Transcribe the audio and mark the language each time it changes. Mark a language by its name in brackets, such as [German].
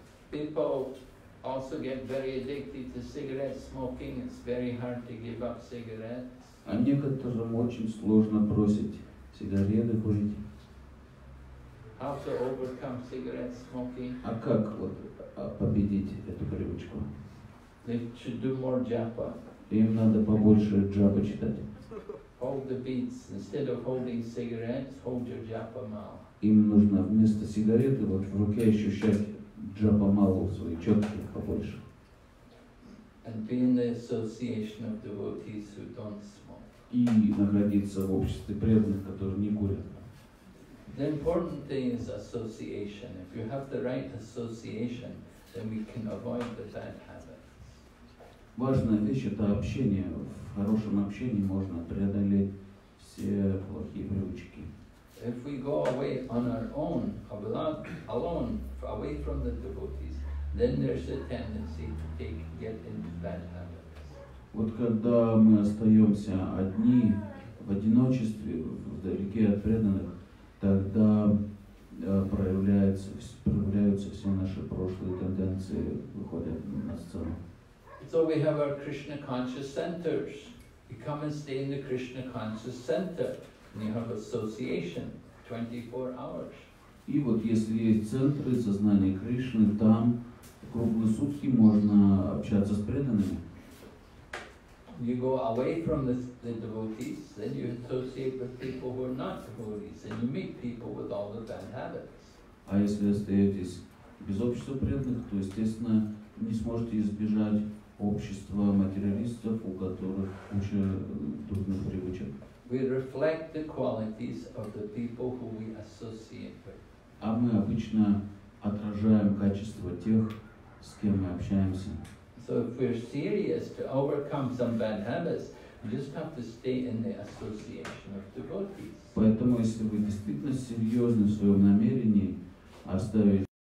[English] People also get very addicted to cigarette smoking. It's very hard to give up cigarettes. [Russian] А некоторым очень сложно бросить сигареты курить. [English] How to overcome cigarette smoking? [Russian] А как вот победить эту привычку? [English] They should do more japa. [Russian] Им надо побольше джапа читать. [English] Hold the beads instead of holding cigarettes. Hold your japa mala. [Russian] Им нужно вместо сигареты вот в руке ощущать джапа малу свои четки побольше. [English] And be in the association of devotees who don't smoke. [Russian] И находиться в обществе преданных, которые не курят. [English] The important thing is association. If you have the right association, then we can avoid the bad habits. [Russian] Важная вещь — это общение. В хорошем общении можно преодолеть все плохие привычки. [English] If we go away on our own, alone, away from the devotees, then there's a tendency to get into bad habits. [Russian] Вот когда мы остаемся одни в одиночестве, вдалеке от преданных, тогда проявляются все наши прошлые тенденции, выходят на сцену. [English] So we have our Krishna conscious centers. We come and stay in the Krishna conscious center. We have association 24 hours. [Russian] И вот если есть центры сознания Кришны, там круглые сутки можно общаться с преданными. [English] You go away from the devotees, then you associate with people who are not devotees, and you meet people with all the bad habits. [Russian] А если остаетесь без общества преданных, то, естественно, не сможете избежать общества материалистов, у которых куча трудных привычек. [English] We reflect the qualities of the people who we associate with. [Russian] А мы обычно отражаем качества тех, с кем мы общаемся. [English] So if we're serious to overcome some bad habits, we just have to stay in the association of devotees. [Russian] Поэтому, если вы действительно серьезны в своем намерении оставить